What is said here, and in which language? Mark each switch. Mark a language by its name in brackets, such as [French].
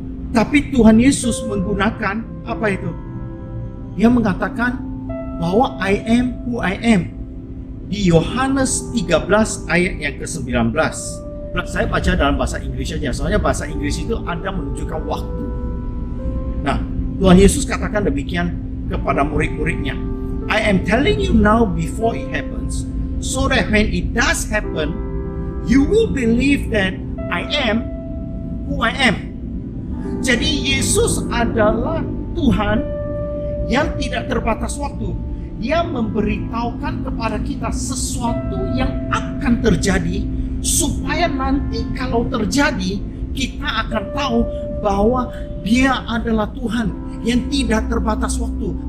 [Indonesian] Tapi Tuhan Yesus menggunakan apa itu? Dia mengatakan bahwa [English] I am who I am. [Indonesian] Di Yohanes 13 ayat yang ke-19. Saya baca dalam bahasa Inggris aja, soalnya bahasa Inggris itu ada menunjukkan waktu. Nah, Tuhan Yesus katakan demikian kepada murid-muridnya. [English] I am telling you now before it happens, so that when it does happen, you will believe that I am who I am. [Indonesian] Jadi Yesus adalah Tuhan yang tidak terbatas waktu. Dia memberitahukan kepada kita sesuatu yang akan terjadi, supaya nanti kalau terjadi, kita akan tahu bahwa dia adalah Tuhan yang tidak terbatas waktu.